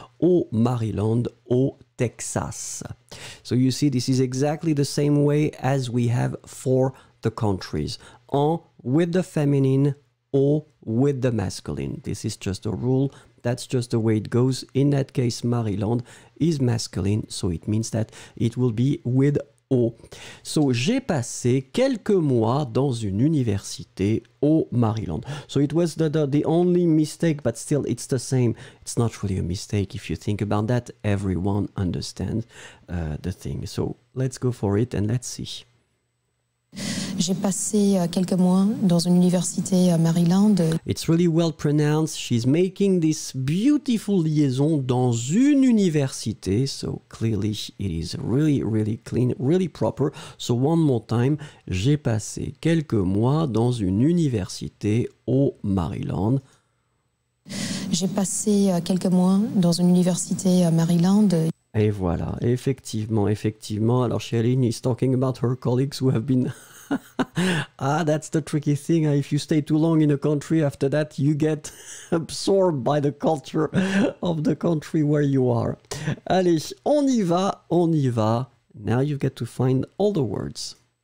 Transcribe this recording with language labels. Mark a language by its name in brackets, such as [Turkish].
[French] Au Maryland, au Texas. [English] So you see, this is exactly the same way as we have for the countries. En with the feminine, au with the masculine. This is just a rule. That's just the way it goes. In that case, Maryland is masculine, so it means that it will be with O. [French] So, j'ai passé quelques mois dans une université au Maryland. [English] So, it was the only mistake, but still, it's the same. It's not really a mistake. If you think about that, everyone understands the thing. So, let's go for it and let's see. [French] J'ai passé quelques mois dans une université à Maryland. [English] It's really well pronounced. She's making this beautiful liaison [French] dans une université. [English] So clearly it is really, really clean, really proper. So one more time. [French] J'ai passé quelques mois dans une université au Maryland. J'ai passé quelques mois dans une université à Maryland. Et voilà, effectivement, effectivement. [English] Alors, Shailene is talking about her colleagues who have been... Ah, that's the tricky thing. If you stay too long in a country, after that, you get absorbed by the culture of the country where you are. [French] Allez, on y va, on y va. [English] Now you get to find all the words.